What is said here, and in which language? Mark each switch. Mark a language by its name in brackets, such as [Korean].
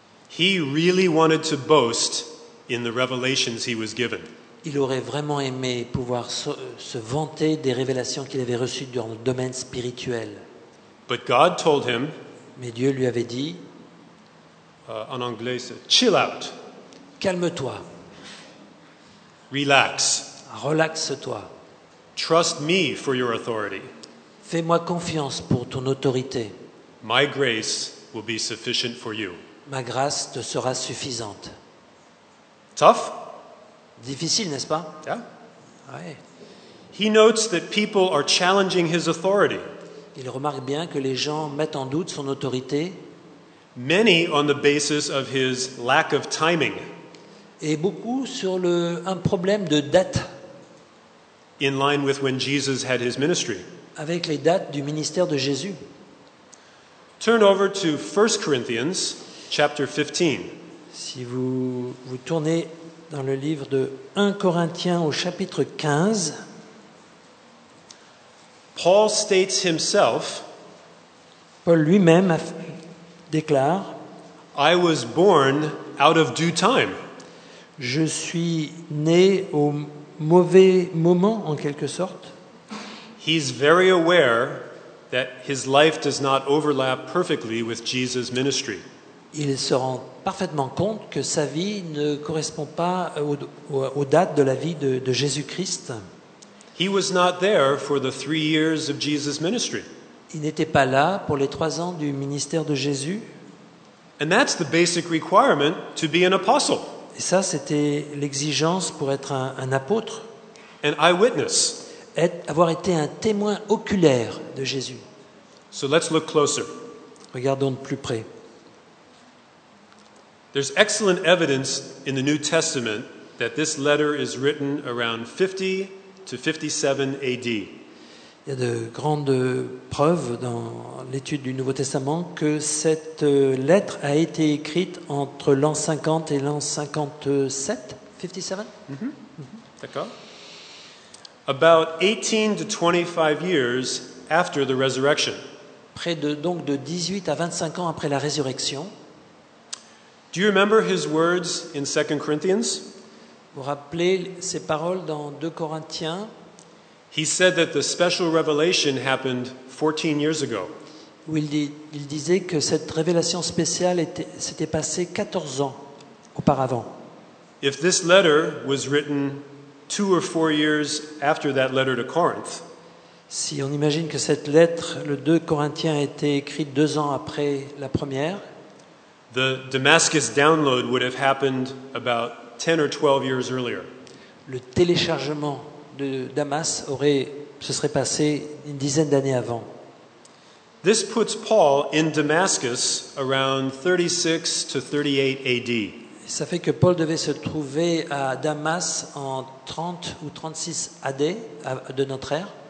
[English] He really wanted to boast in the revelations he was given. [French] Il aurait vraiment aimé pouvoir se vanter des révélations qu'il avait reçues dans le domaine spirituel. [English] But God told him. [French] Mais Dieu lui avait dit. En anglais, [English] chill out. [French] Calme-toi. [English] Relax. [French] Relaxe-toi. [English] Trust me for your authority. [French] Fais-moi confiance pour ton autorité. [English] My grace will be sufficient for you. [French] Ma grâce te sera suffisante. [English] Tough? [French] Difficile, n'est-ce pas? [English] Yeah. [French] Ouais. [English] He notes that people are challenging his authority. [French] Il remarque bien que les gens mettent en doute son autorité. [English] Many on the basis of his lack of timing. [French] Et beaucoup sur un problème de date. [English] In line with when Jesus had his ministry. [French] Avec les dates du ministère de Jésus. [English] Turn over to 1 Corinthians chapter 15. [French] Si vous tournez dans le livre de 1 Corinthiens au chapitre 15, [English] Paul states himself, [French] Paul lui-même déclare, [English] I was born out of due time. [French] Je suis né au mauvais moment, en quelque sorte. [English] He's very aware that his life does not overlap perfectly with Jesus' ministry. [French] Il se rend parfaitement compte que sa vie ne correspond pas aux dates de la vie de Jésus-Christ. [English] He was not there for the 3 years of Jesus' ministry. [French] Il n'était pas là pour les 3 ans du ministère de Jésus. [English] And that's the basic requirement to be an apostle. [French] Et ça, c'était l'exigence pour être un apôtre. [English] An eyewitness. [French] Avoir été un témoin oculaire de Jésus. [English] So let's look closer. [French] Regardons de plus près. [English] There's excellent evidence in the New Testament that this letter is written around 50 to 57 AD. [French] Il y a de grandes preuves dans l'étude du Nouveau Testament que cette lettre a été écrite entre l'an 50 et l'an 57. [English] 57? Mm-hmm. [French] D'accord. [English] About 18 to 25 years after the resurrection. [French] Près de, donc de 18 à 25 ans après la résurrection. [English] Do you remember his words in 2 Corinthians? [French] Vous rappelez ses paroles dans 2 Corinthiens? [English] He said that the special revelation happened 14 years ago. [French] Où il disait que cette révélation spéciale s'était passée 14 ans auparavant. [English] If this letter was written 2 or 4 years after that letter to Corinth. [French] Si on imagine que cette lettre, le 2 Corinthiens, a été écrite 2 ans après la première, [English] the Damascus download would have happened about 10 or 12 years earlier. [French] Le téléchargement de Damas se serait passé une dizaine d'années avant. [English] This puts Paul in Damascus around 36 to 38 AD. [French] Ça fait que Paul devait se trouver à Damas en 30 ou 36 AD de notre ère.